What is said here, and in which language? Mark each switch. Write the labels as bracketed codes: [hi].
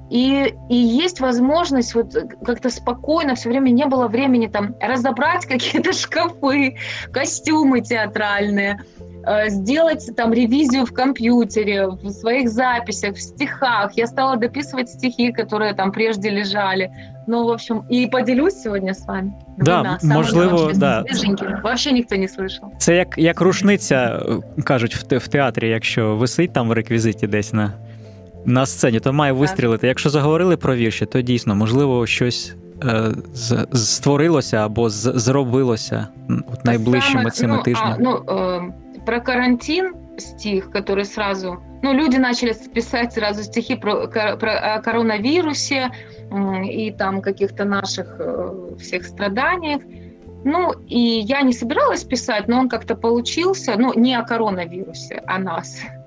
[ru] И есть возможность вот как-то спокойно, все время не было времени там разобрать какие-то шкафы, костюмы театральные, сделать там ревизию в компьютере, в своих записях, в стихах. Я стала дописывать стихи, которые там прежде лежали. Ну, в общем, [uk] і поділюсь сьогодні з вами. Да, можливо, да. [ru] Вообще ніхто не слышав. [uk] Це як рушниця, кажуть, в театрі, якщо висить там в реквізиті десь на сцені, то має вистрілити. Так. Якщо заговорили про вірші, то дійсно, можливо, щось створилося або зробилося от найближчими цими тижнями. [ru] Про карантин стих, який сразу... Ну, люди начали писати сразу стихи [uk] про коронавірусі, [ru] и там каких-то наших всех страданиях. Ну, и я не собиралась писать, но он как-то получился. Ну, не о коронавирусе, а нас.